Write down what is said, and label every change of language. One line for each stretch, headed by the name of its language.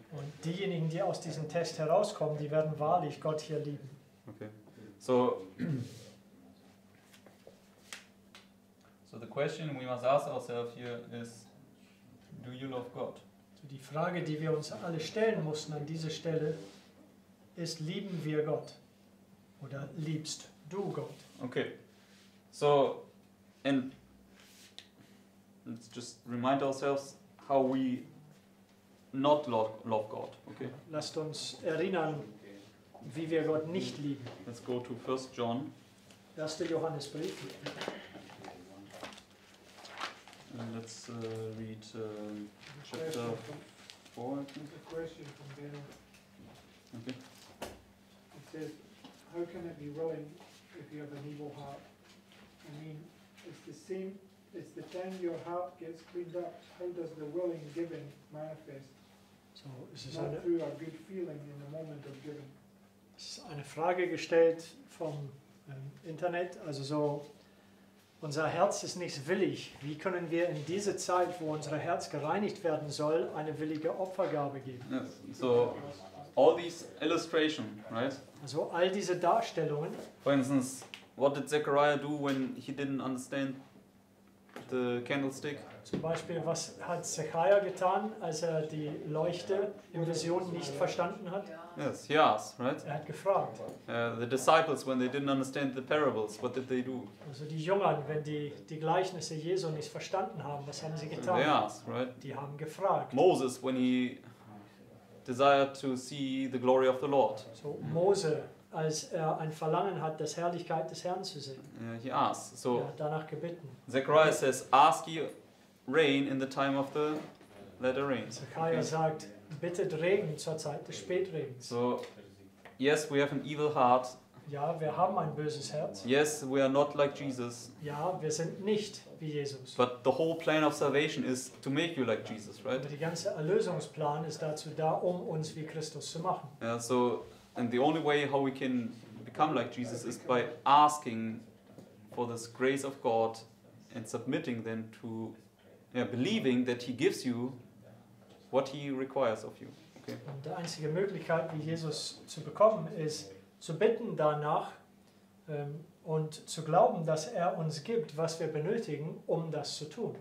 German: Und diejenigen, die aus diesem Test herauskommen, die werden wahrlich Gott hier lieben.
English: Okay. So, the question we must ask ourselves here is, do you love God?
German: So die Frage, die wir uns alle stellen mussten an dieser Stelle, ist, lieben wir Gott? Oder liebst du Gott?
English: Okay. So, and let's just remind ourselves how we not love God. Okay.
German: Lasst uns erinnern, wie wir Gott nicht lieben.
English: Let's go to 1 John.
German: 1. Johannesbrief.
English: And let's read chapter 4. There's a question from Ben. Okay. It says, how can it be willing if you have an evil heart? I mean, it's the same. It's the time your heart gets cleaned up. How does the willing giving manifest? So, not through a good feeling in the moment of giving.
German: Es ist eine Frage gestellt vom Internet. Also so, unser Herz ist nicht willig. Wie können wir in diese Zeit, wo unser Herz gereinigt werden soll, eine willige Opfergabe geben?
English: Yes. So, all these illustration, right?
German: Also all diese Darstellungen.
English: For instance, what did Zechariah do when he didn't understand the candlestick?
German: Zum Beispiel, was hat Zechariah getan, als er die Leuchte in Vision nicht verstanden hat?
English: Yes, he asked, right?
German: Er hat gefragt.
English: The disciples, when they didn't understand the parables, what did they do?
German: Also die Jungen, wenn die Gleichnisse Jesu nicht verstanden haben, was haben sie getan?
English: They asked, right?
German: Die haben gefragt.
English: Moses, when he desired to see the glory of the Lord.
German: So Mose, als er ein Verlangen hat, das Herrlichkeit des Herrn zu sehen.
English: He asked. So,
German: er hat danach gebeten.
English: Zechariah says, ask ye rain in the time of the latter rain.
German: Zechariah sagt, bittet Regen zur Zeit des Spätregens.
English: So, yes, we have an evil heart.
German: Ja, wir haben ein böses Herz.
English: Yes, we are not like Jesus.
German: Ja, wir sind nicht wie Jesus.
English: But the whole plan of salvation is to make you like Jesus, right?
German: Aber die ganze Erlösungsplan ist dazu da, um uns wie Christus zu machen.
English: Yeah, so, and the only way how we can become like Jesus is by asking for this grace of God and submitting then to, yeah, believing that he gives you what he requires of you. Okay.
German: Und die einzige Möglichkeit, wie Jesus zu bekommen, ist zu bitten danach und zu glauben, dass er uns gibt, was wir benötigen, um das zu tun.